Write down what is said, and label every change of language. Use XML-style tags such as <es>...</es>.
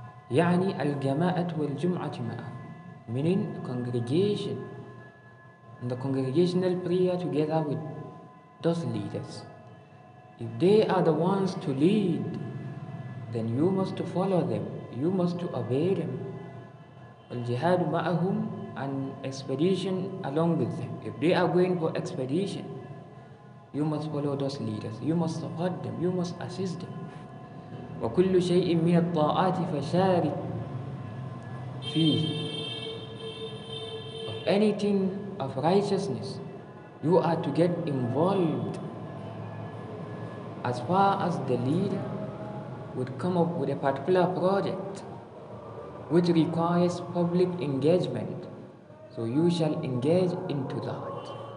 <ar>يعني الجماعة والجمعة معا.</ar> <en>Meaning congregation and the congregational prayer together with those leaders. If they are the ones to lead, then you must follow them, you must obey them.</en> <ar>Al jihad ma'ahum,</ar> <en>an expedition along with them. If they are going for expedition, You must follow those leaders. You must support them. You must assist them.</en> <ar>وكل شيء من الطاعات فشارك فيه.</ar> <en>Of anything of righteousness, you are to get involved. As far as the leader would come up with a particular project which requires public engagement, so you shall engage into that.</en>